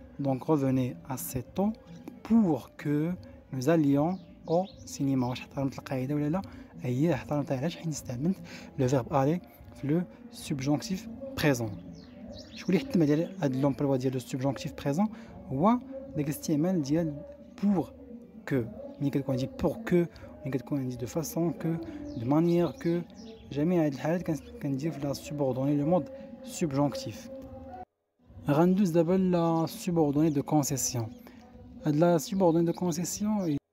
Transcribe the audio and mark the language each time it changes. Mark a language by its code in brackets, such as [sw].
[fr] Donc, revenez assez tôt pour que nous allions au cinéma. [ar] واش احترمت القاعده ولا لا هي احترمتها علاش حين استعملت لو فيرب الي في لو سوبجونكتيف بريزون شكون اللي حتم ديال هاد لومبلوا ديال لو سوبجونكتيف بريزون هو داك الاستعمال ديال بور كو ملي كتكون دي بور كو ملي كتكون دي دو فاسون كو دو مانيير كو جميع هاد الحالات كندير في لا سوبوردوني لو مود سوبجونكتيف غندوز دابا لا سوبوردوني دو كونسيسيون. [fr] De la subordonnée de concession,